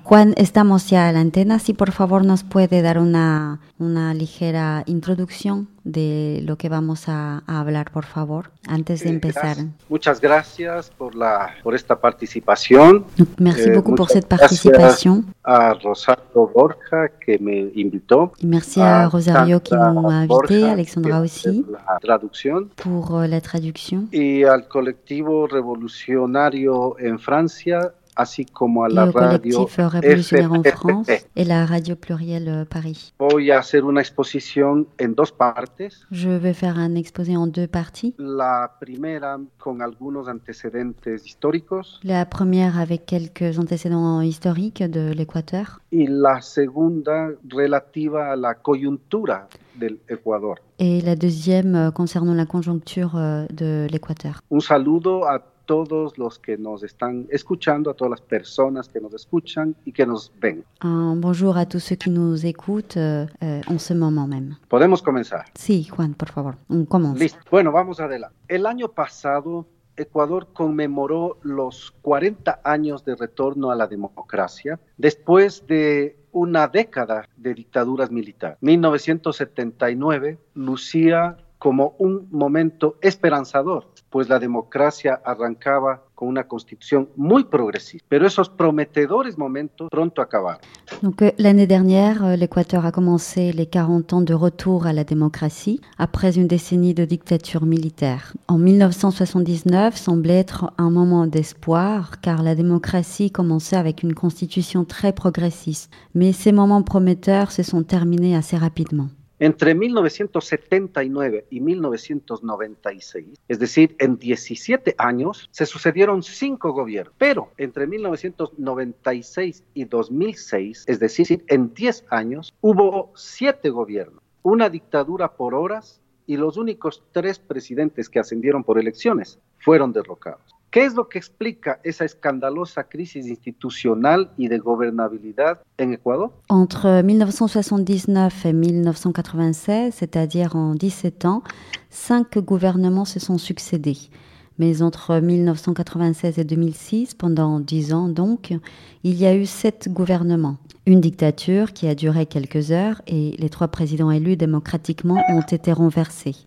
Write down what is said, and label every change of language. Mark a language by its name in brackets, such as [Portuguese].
[Spanish] Juan, estamos ya a la antena, si por favor nos puede dar una ligera introducción de lo que vamos a hablar, por favor, antes de empezar. Gracias. Muchas gracias por esta participación. [French] Merci beaucoup pour cette participation. [Spanish] A Rosario Borja que me invitó. [French] Merci a Rosario qui nous a invité, Alexandra aussi. Pour la traduction. [Spanish] Y al colectivo revolucionario en Francia. Así como a la radio FPP y la radio plurielle Paris. Voy a hacer una exposición en dos partes. [French] Je vais faire un exposé en deux parties. [Spanish] La primera con algunos antecedentes históricos. [French] La première avec quelques antécédents historiques de l'Équateur. [Spanish] Y la segunda relativa a la coyuntura del Ecuador. [French] Et la deuxième concernant la conjoncture de l'Équateur. [Spanish] Un saludo a todos los que nos están escuchando, a todas las personas que nos escuchan y que nos ven. [French] Bonjour à tous ceux qui nous écoutent en ce moment même. [Spanish] ¿Podemos comenzar? Sí, Juan, por favor. Comienza. Listo. Bueno, vamos adelante. El año pasado, Ecuador conmemoró los 40 años de retorno a la democracia después de una década de dictaduras militares. 1979 lucía como un momento esperanzador, pues la democracia arrancaba con una constitución muy progresista. Pero esos prometedores momentos pronto acabaron. [French] Donc, l'année dernière, l'Équateur a commencé les 40 ans de retour à la démocratie après une décennie de dictature militaire. En 1979 semblait être un moment d'espoir, car la démocratie commençait avec une constitution très progressiste. Mais ces moments prometteurs se sont terminés assez rapidement. [Spanish] Entre 1979 y 1996, es decir, en 17 años, se sucedieron 5 gobiernos. Pero entre 1996 y 2006, es decir, en 10 años, hubo 7 gobiernos, una dictadura por horas y los únicos 3 presidentes que ascendieron por elecciones fueron derrocados. ¿Qué es lo que explica esa escandalosa crisis institucional y de gobernabilidad en Ecuador? [French] Entre 1979 et 1996, c'est-à-dire en 17 ans, 5 gouvernements se sont succédés. Mais entre 1996 et 2006, pendant 10 ans donc, il y a eu 7 gouvernements. Une dictature qui a duré quelques heures et les 3 présidents élus démocratiquement ont été renversés.